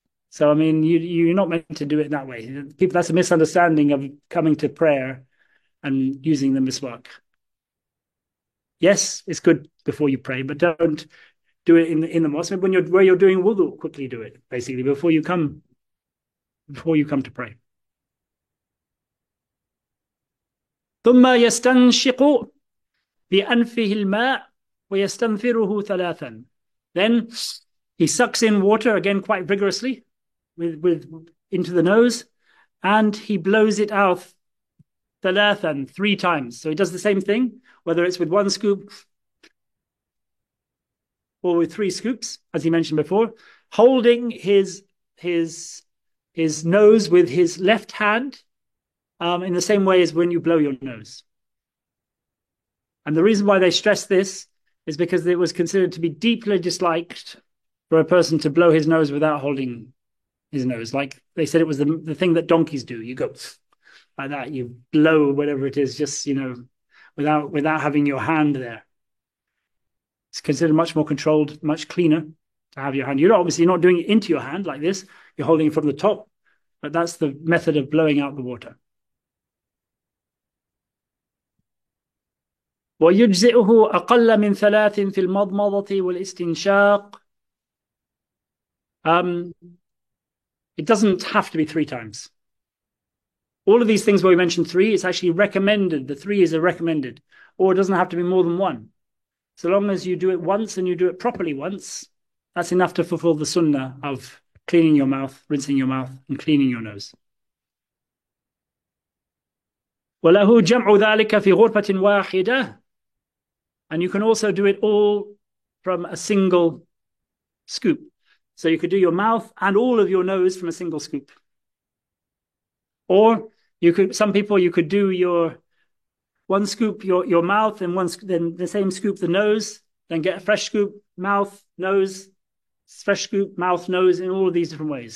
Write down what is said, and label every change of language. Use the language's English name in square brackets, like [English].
[English] So, I mean, you're not meant to do it that way. People, that's a misunderstanding of coming to prayer and using the miswak. Yes, it's good before you pray, but don't do it in the mosque. When you're where you're doing wudu, quickly do it, basically, before you come to pray. [Arabic] ثم يستنشق بأنفه الماء ويستنثره ثلاثا. [English] Then he sucks in water again quite vigorously with into the nose, and he blows it out ثلاثا, three times. So he does the same thing, whether it's with one scoop or with three scoops, as he mentioned before, holding his nose with his left hand, in the same way as when you blow your nose. And the reason why they stress this is because it was considered to be deeply disliked for a person to blow his nose without holding his nose. Like they said, it was the thing that donkeys do. You go like that, you blow whatever it is, just, you know, without having your hand there. It's considered much more controlled, much cleaner to have your hand. You're obviously not doing it into your hand like this. You're holding it from the top, but that's the method of blowing out the water. [Arabic] ويجزئه أقل من ثلاث في المضمضة والاستنشاق. [English] It doesn't have to be three times. All of these things where we mentioned three, it's actually recommended. The three is a recommended. Or it doesn't have to be more than one. So long as you do it once and you do it properly once, that's enough to fulfill the sunnah of cleaning your mouth, rinsing your mouth, and cleaning your nose. [Arabic] وله جمع ذلك في غرفة واحدة. [English] And you can also do it all from a single scoop. So you could do your mouth and all of your nose from a single scoop. Or you could, some people, you could do your one scoop, your mouth, and one, then the same scoop, the nose, then get a fresh scoop, mouth, nose, fresh scoop, mouth, nose, in all of these different ways.